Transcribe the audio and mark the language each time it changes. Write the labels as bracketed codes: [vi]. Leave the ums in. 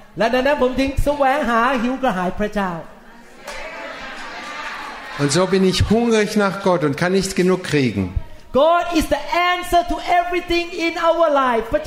[th] และดังนั้นผมจึงแสวงหาหิวกระหายพระเจ้า [de] Und so bin ich hungrig nach Gott und kann nicht genug kriegen. [en] God is the answer to everything in our life.